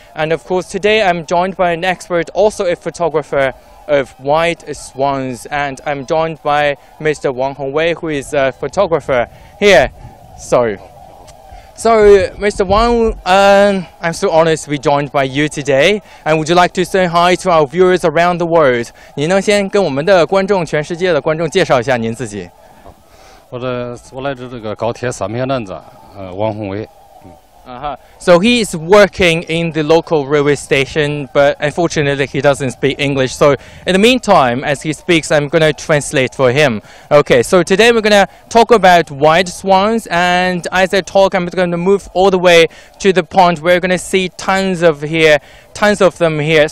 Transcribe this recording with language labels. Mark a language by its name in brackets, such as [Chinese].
[English] And of course, today I'm joined by an expert, also a photographer of white swans, and I'm joined by Mr. Wang Hongwei, who is a photographer here. So Mr. Wang, I'm so honored to be joined by you today, and would you like to say hi to our viewers around the world? [Chinese] 您能先跟我们的观众，全世界的观众介绍一下您自己？我来自这个高铁三面男子，王宏伟。 [English] So he is working in the local railway station, but unfortunately he doesn't speak English. So in the meantime, as he speaks, I'm going to translate for him. Okay, so today we're going to talk about white swans. And as I talk, I'm going to move all the way to the pond where we're going to see tons of them here.